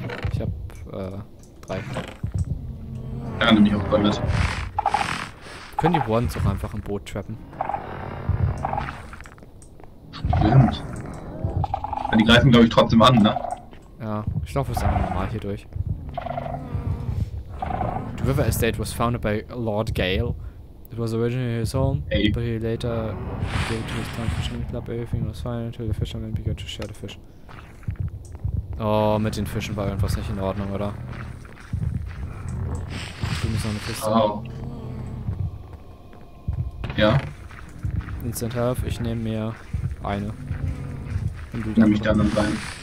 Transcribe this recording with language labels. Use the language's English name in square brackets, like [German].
[German] Ich habe drei. Ja, nehme ich auch mal mit. Können die Wardens auch einfach im Boot trappen? Stimmt. Ja, die greifen, glaube ich, trotzdem an, ne? Ja, ich laufe es einfach normal hier durch. [English] The river estate was founded by Lord Gale. It was originally his home, hey. But he later gave to his town fishing club. Everything was fine until the fishermen began to share the fish. [German] Oh, mit den Fischen war irgendwas nicht in Ordnung, oder? Du musst noch eine Kiste. Oh. Ja? Instant health, ich nehme mir eine. Und du nimmst mich dann am Bein.